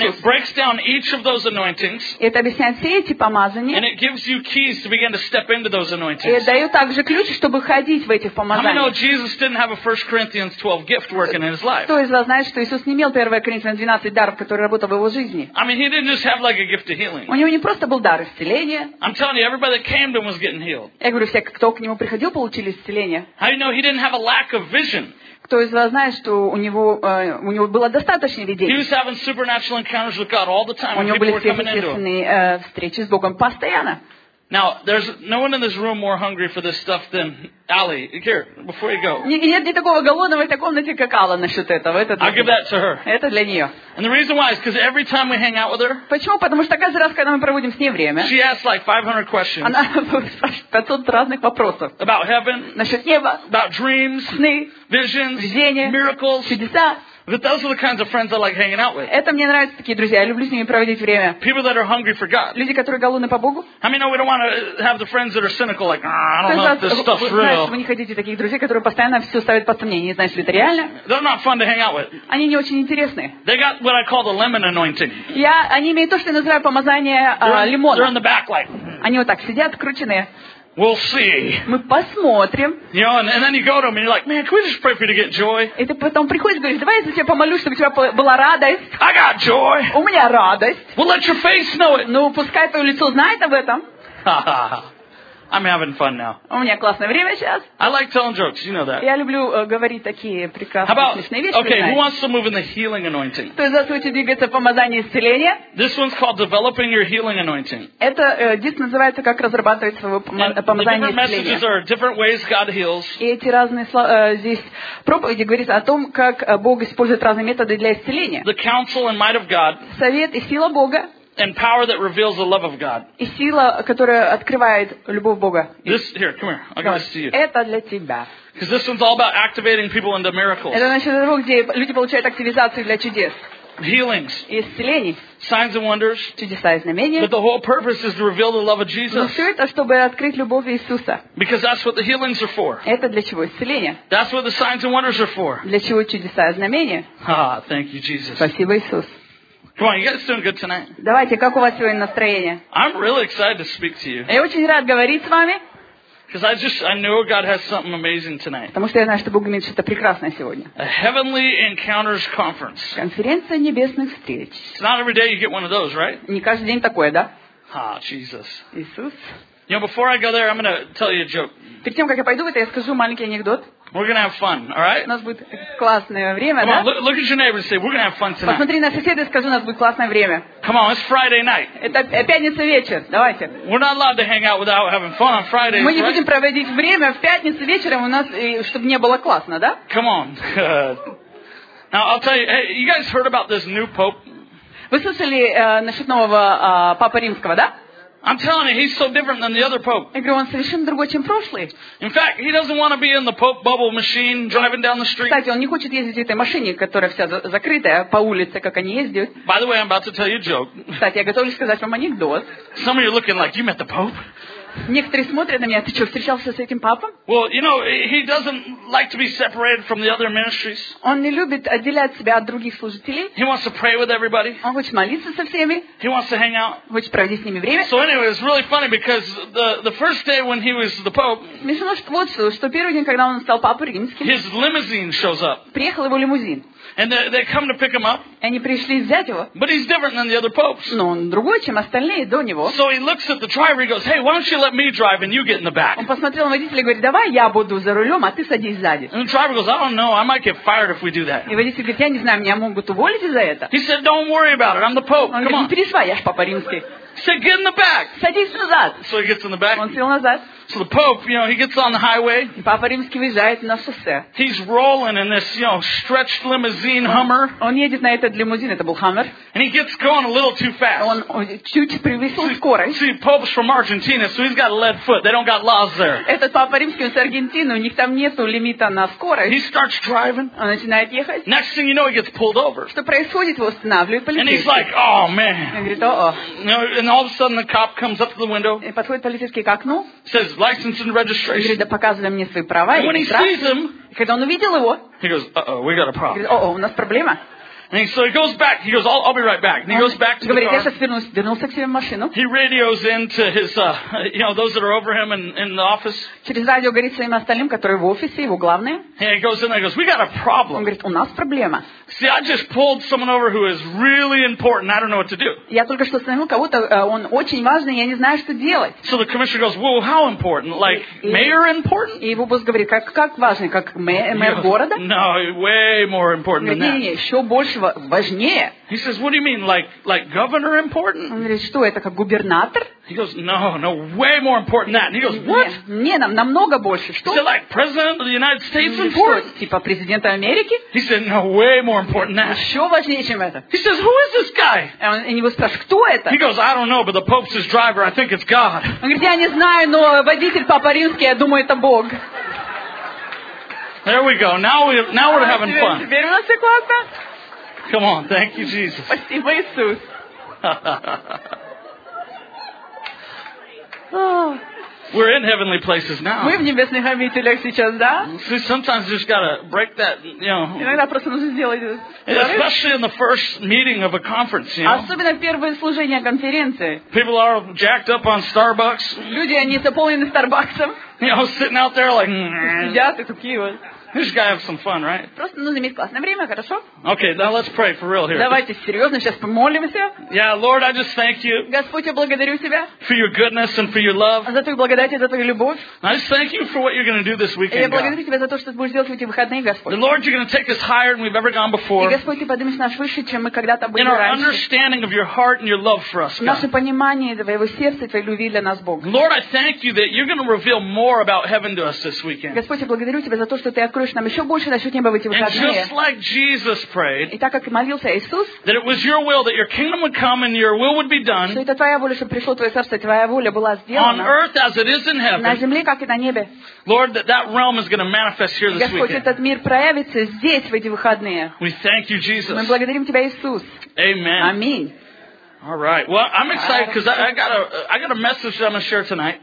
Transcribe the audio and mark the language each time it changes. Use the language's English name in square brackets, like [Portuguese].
[English] And it breaks down each of those anointings. [Russian] Это объясняет все эти помазания. [English] And it gives you keys to begin to step into those anointings. [Russian] И дает также ключ, чтобы ходить в этих помазаниях. [English] How many know Jesus didn't have a 1 Corinthians 12 gift working in his life? [Russian] Кто из вас знает, что Иисус не имел 1 Коринфянам 12 даров, который работал в его жизни? [English] I mean, he didn't just have like a gift of healing. [Russian] У него не просто был дар исцеления. [English] I'm telling you, everybody that came to him was getting healed. [Russian] Я говорю, все, кто к нему приходил, получили исцеление. [English] How do you know he didn't have a lack of vision? [Russian] Кто из вас знает, что у него было достаточно видений? [English] He was having supernatural encounters with God all the time. [Russian] У него были сверхъестественные встречи с Богом постоянно. [English] Now, there's no one in this room more hungry for this stuff than Ali. Here, before you go. [Russian] Нет ни такого голодного в этой комнате, как Алла насчет этого. [English] I'll give that to her. [Russian] Это для нее. [English] And the reason why is because every time we hang out with her. [Russian] Почему? Потому что каждый раз, когда мы проводим с ней время. [English] She asks like 500 questions. [Russian] Она спрашивает 500 разных вопросов. [English] About heaven. [Russian] Насчет неба. [English] About dreams. [Russian] Сны. [English] Visions. [Russian] Видения. [English] Miracles. [Russian] Чудеса. [English] But those are the kinds of friends I like hanging out with. [Russian] Это мне нравятся такие друзья. Я люблю с ними проводить время. [English] People that are hungry for God. [Russian] Люди, которые голодны по Богу. [English] I mean, no, we don't want to have the friends that are cynical, like, I don't know if this stuff's real. [Russian] Вы не хотите таких друзей, которые постоянно все ставят под сомнение, не знаешь ли это реально? [English] They're not fun to hang out with. [Russian] Они не очень интересны. [English] They got what I call the lemon anointing. [Russian] Я, они имеют то, что я называю помазание лимона. [English] They're in the back, like. [Russian] Они вот так сидят, крученые. [English] We'll see. [Russian] Мы посмотрим. [English] You know, and then you go to him and you're like, man, can we just pray for you to get joy? [Russian] И ты потом приходишь и говоришь, давай я за тебя помолюсь, чтобы у тебя была радость. [English] I got joy. [Russian] У меня радость. [English] We'll let your face know it. [Russian] Ну, пускай твое лицо знает об этом. [English] I'm having fun now. [Russian] У меня классное время сейчас. [English] I like telling jokes, you know that. [Russian] Я люблю говорить такие прекрасные, смешные вещи. [English] Okay, who wants to move in the healing anointing? [Russian] Кто из вас хочет двигаться в помазании исцеления? [English] This one's called developing your healing anointing. [Russian] Это диск называется как разрабатывать свое помазание исцеления. [English] Different messages are different ways God heals. [Russian] И эти разные здесь проповеди говорят о том, как Бог использует разные методы для исцеления. [English] The counsel and might of God. [Russian] Совет и сила Бога. [English] And power that reveals the love of God. [Russian] И сила, которая открывает любовь Бога. [English] This here, come here. I'll give this to you. [Russian] Это для тебя. [English] Because this one's all about activating people into miracles. [Russian] Это насчет того, где люди получают активизацию для чудес. [English] Healings. [Russian] И исцелений. [English] Signs and wonders. [Russian] Чудеса и знамения. [English] But the whole purpose is to reveal the love of Jesus. [Russian] Но все это, чтобы открыть любовь Иисуса. [English] Because that's what the healings are for. [Russian] Это для чего исцеление? [English] That's what the signs and wonders are for. [Russian] Для чего чудеса и знамения? [English] Thank you, Jesus. [Russian] Спасибо, Иисус. [English] Come on, you guys doing good tonight? [Russian] Давайте, как у вас сегодня настроение? [English] I'm really excited to speak to you. [Russian] Я очень рад говорить с вами. [English] Because I know God has something amazing tonight. [Russian] Потому что я знаю, что Бог имеет что-то прекрасное сегодня. [English] A heavenly encounters conference. [Russian] Конференция небесных встреч. [English] It's not every day you get one of those, right? [Russian] Не каждый день такое, да? [English] Ah, Jesus. [Russian] Иисус. [English] You know, before I go there, I'm going to tell you a joke. [Russian] Перед тем, как я пойду в это, я скажу маленький анекдот. [English] We're gonna have fun, all right? [Russian] У нас будет классное время, [English] Come [Russian] да? [English] Come on, look at your neighbor and say, we're gonna have fun tonight. [Russian] Посмотри на соседа и скажи, у нас будет классное время. [English] Come on, it's Friday night. [Russian] Это пятница вечер, давайте. [English] We're not allowed to hang out without having fun on Friday. [Russian] Мы не будем проводить время в пятницу вечером у нас, чтобы не было классно, да? [English] Come on. Now I'll tell you, hey, you guys heard about this new pope? [Russian] Вы слышали насчет нового папы римского, да? [English] I'm telling you, he's so different than the other pope. [Russian] Я говорю, он совершенно другой, чем прошлый. [English] In fact, he doesn't want to be in the pope bubble machine driving down the street. [Russian] Кстати, он не хочет ездить в этой машине, которая вся закрытая по улице, как они ездят. [English] By the way, I'm about to tell you a joke. [Russian] Кстати, я готовлюсь сказать вам анекдот. [English] Some of you are looking like you met the pope. [Russian] Некоторые смотрят на меня, ты что, встречался с этим папом? [English] Well, you know, he doesn't like to be separated from the other ministries. [Russian] Он не любит отделять себя от других служителей. [English] He wants to pray with everybody. [Russian] Он хочет молиться со всеми. [English] He wants to hang out. [Russian] Хочет проводить с ними время. [English] So anyway, it's really funny because the first day when he was the pope, [Russian] что первый день, когда он стал папой римским, [English] his limousine shows up. [Russian] Приехал его лимузин. [English] And they come to pick him up. [Russian] Они пришли взять его. [English] But he's different than the other popes. [Russian] Но он другой, чем остальные до него. [English] So he looks at the driver, he goes, hey, why don't you let me drive and you get in the back. [Russian] Он посмотрел на водителя и говорит, давай я буду за рулем, а ты садись сзади. [English] And the driver goes, I don't know, I might get fired if we do that. [Russian] И водитель говорит, я не знаю, меня могут уволить за это. [English] He said, don't worry about it, I'm the pope, come on. [Russian] Он говорит, не переживай, я ж папа римский. [English] He said, get in the back. [Russian] Садись назад. [English] So he gets in the back. [Russian] Он сел назад. [English] So the Pope, you know, he gets on the highway. [Russian] Папа римский выезжает на шоссе. [English] He's rolling in this, you know, stretched limousine Hummer. [Russian] Он едет на этот лимузин, это был Hummer. [English] And he gets going a little too fast. [Russian] Он чуть превысил скорость. [English] See, Pope's from Argentina, so he's got a lead foot. They don't got laws there. [Russian] Этот папа римский, он с Аргентины, у них там нету лимита на скорость. [English] He starts driving. [Russian] Он начинает ехать. [English] Next thing you know, he gets pulled over. [Russian] Что происходит, его останавливают полицейские. [English] And he's like, oh man. [Russian] Он говорит, о-о. [English] And all of a sudden, the cop comes up to the window. [Russian] И подходит полицейский к окну. [English] Says, license and registration. [Russian] Говорит, да показывай мне свои права. [English] And when he sees him, [Russian] когда он увидел его, [English] he goes, uh-oh, we got a problem. [Russian] Говорит, у нас проблема. [English] And so he goes back. He goes, I'll be right back. And he goes back to [Russian] говорит, [English] the car. [Russian] Говорит, я сейчас вернулся к себе в машину. [English] He radios into his, you know, those that are over him in the office. [Russian] Через радио говорит своим остальным, которые в офисе, его главные. [English] And he goes in there and goes, we got a problem. [Russian] Он говорит, у нас проблема. [English] See, I just pulled someone over who is really important. I don't know what to do. [Russian] Я только что остановил кого-то, он очень важный, я не знаю, что делать. [English] So the commissioner goes, whoa, how important? Like, mayor important? [Russian] И его босс говорит, как важный, как мэр города? [English] No, way more important than that. [Russian] Нет, еще больше нашего важнее. [English] He says, what do you mean, like governor important? [Russian] Он говорит, что это как губернатор? [English] He goes, no, way more important than that. And he goes, what? [Russian] Не, намного больше. Что? [English] He said, like president of the United States important? [Russian] Что, типа президента Америки? [English] He said, no, way more important than that. [Russian] Еще важнее, чем это. [English] He says, who is this guy? [Russian] И его спрашивают, кто это? [English] He goes, I don't know, but the Pope's his driver. I think it's God. [Russian] Он говорит, я не знаю, но водитель Папа Римский, я думаю, это Бог. [English] There we go. Now we're having fun. [Russian] Теперь у нас все классно. [English] Come on, thank you, Jesus. [Russian] Спасибо, Иисус. [English] We're in heavenly places now. [Russian] Мы в небесных обителях сейчас, да? [English] See, sometimes you just gotta break that, you know. [Russian] Иногда просто нужно сделать. [English] Especially in the first meeting of a conference, you know. [Russian] Особенно первое служение конференции. [English] People are jacked up on Starbucks. [Russian] Люди, они заполнены Старбаксом. [English] You know, sitting out there like. [Russian] Сидят и такие вот. [English] You just gotta have some fun, right? [Russian] Просто нужно иметь классное время, хорошо? [English] Okay, now let's pray for real here. [Russian] Давайте серьезно сейчас помолимся. [English] Yeah, Lord, I just thank you. [Russian] Господь, я благодарю тебя. [English] For your goodness and for your love. [Russian] За твою благодать и за твою любовь. [English] I just thank you for what you're gonna do this weekend. [Russian] Я благодарю тебя за то, что ты будешь делать в эти выходные, Господь. [English] Lord, you're gonna take us higher than we've ever gone before. [Russian] И Господь, ты поднимешь нас выше, чем мы когда-то были раньше. [English] In our understanding of your heart and your love for us, God. [Russian] Наше понимание твоего сердца и твоей любви для нас, Бог. [English] Lord, I thank you that you're gonna reveal more about heaven to us this weekend. [Russian] Господь, я благодарю тебя за то, что ты нам еще больше насчет неба в эти выходные. [English] And just like Jesus prayed, [Russian] и так как молился Иисус, [English] that it was your will, that your kingdom would come and your will would be done, [Russian] что это твоя воля, чтобы пришло твое царство, твоя воля была сделана [English] on earth as it is in heaven, [Russian] на земле, как и на небе. [English] Lord, that realm is going to manifest here this [Russian] Господь, [English] weekend. [Russian] Господь, этот мир проявится здесь в эти выходные. [English] We thank you, Jesus. [Russian] Мы благодарим тебя, Иисус. [English] Amen. [Russian] Аминь. [English] All right. Well, I'm excited because I got a message that I'm going to share tonight.